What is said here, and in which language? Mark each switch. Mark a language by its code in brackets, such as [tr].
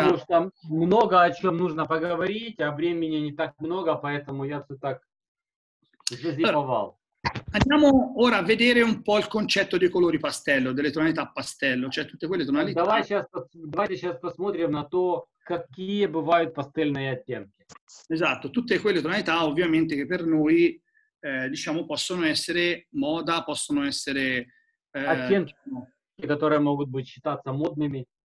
[ru] Потому что много о чем нужно поговорить, а времени не так много, поэтому я все так зазиповал. [it] Andiamo ora a vedere un po' il concetto dei colori pastello, delle tonalità pastello, cioè tutte quelle tonalità. [ru] Давайте сейчас посмотрим на то, какие бывают пастельные оттенки. [it] Esatto, tutte quelle tonalità ovviamente che per noi, diciamo, possono essere moda, possono essere... [ru] Оттенки, которые могут быть считаться модными.